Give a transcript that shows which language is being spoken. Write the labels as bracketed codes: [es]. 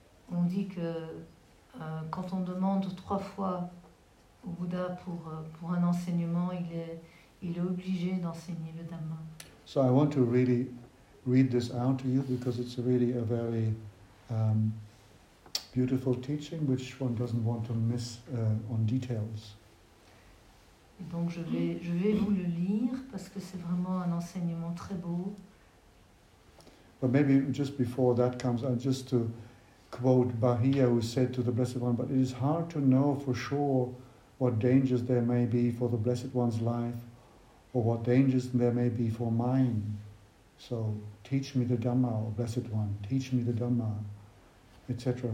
[fr] On dit que quand on demande trois fois au Bouddha pour un enseignement, il est obligé d'enseigner le Dhamma. [en] So I want to really read this out to you because it's really a very beautiful teaching which one doesn't want to miss on details. [fr] Et donc je vais vous le lire parce que c'est vraiment un enseignement très beau. [en] But maybe just before that comes, I'm just to quote Bahia who said to the Blessed One, but it is hard to know for sure what dangers there may be for the Blessed One's life, or what dangers there may be for mine. So teach me the Dhamma, O Blessed One, teach me the Dhamma, etc.